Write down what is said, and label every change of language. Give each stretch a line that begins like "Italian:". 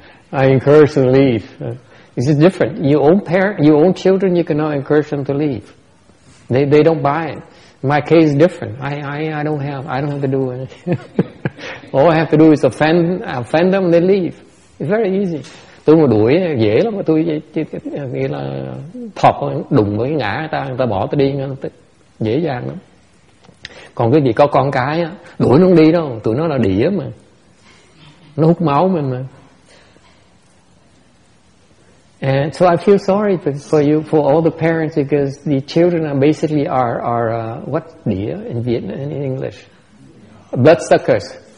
English: I encourage them to leave. This is different. Your own parent, your own children, you cannot encourage them to leave. They don't buy it. My case is different. I don't have to do anything. All I have to do is offend them, and they leave. It's very easy.
Vietnamese: Tôi mà đuổi dễ lắm, mà tôi nghĩa là thọc đụng với ngã người ta bỏ tôi đi, dễ dàng lắm. Còn cái gì có con cái đuổi nó không đi đâu, tụi nó là đĩa mà, nó hút máu mình mà.
English: And so I feel sorry for all the parents, because the children are basically are what đĩa in Vietnam in English, bloodsuckers.